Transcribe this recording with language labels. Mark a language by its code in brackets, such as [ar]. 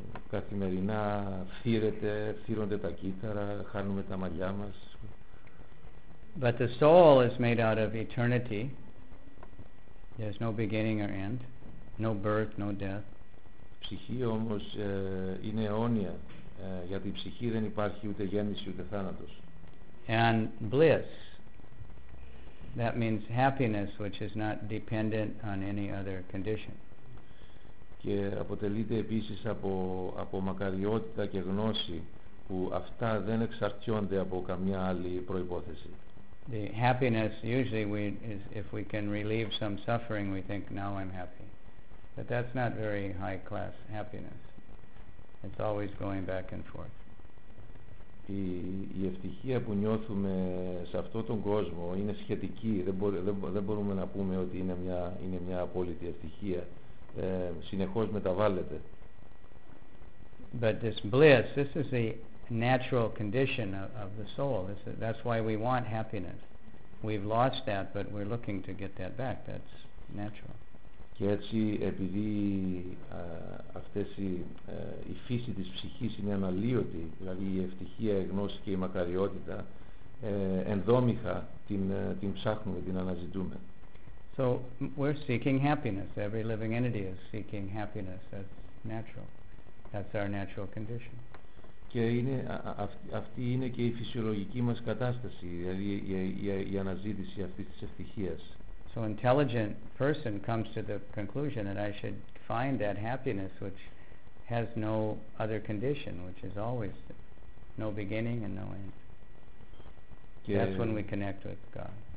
[el] Καθημερινά φύρονται τα κύτταρα, χάνουμε τα μαλλιά μας. [en] But the soul is made out of eternity. There's no beginning or end, no birth, no death. [el] Ψυχή όμως είναι αιώνια, γιατί η ψυχή δεν υπάρχει ούτε γέννηση ούτε θάνατος. [en] And bliss. That means happiness which is not dependent on any other condition. [el] Και αποτελείται επίσης από μακαριότητα και γνώση που αυτά δεν εξαρτιόνται από καμιά άλλη προϋπόθεση. [en] The happiness usually is if we can relieve some suffering we think now I'm happy. But that's not very high class happiness. It's always going back and forth. [el] η ευτυχία που νιώθουμε σε αυτόν τον κόσμο είναι σχετική, δεν μπορούμε να πούμε ότι είναι μια απόλυτη ευτυχία, συνεχώς μεταβάλλεται. [en] But this bliss, this is the natural condition of the soul. That's why we want happiness. We've lost that, but we're looking to get that back. That's natural. [el] Και έτσι, επειδή αυτές η φύση της ψυχής είναι αναλύωτη, δηλαδή η ευτυχία, η γνώση και η μακαριότητα, ενδόμηχα την ψάχνουμε, την αναζητούμε. [en] So we're seeking happiness. Every living entity is seeking happiness. That's natural. That's our natural condition. [el] Και είναι, αυτή είναι και η φυσιολογική μας κατάσταση, δηλαδή η αναζήτηση αυτής της ευτυχίας. [en] So an intelligent person comes to the conclusion that I should find that happiness which has no other condition, which is always no beginning and no end. [el] Και [en] that's when we connect with God.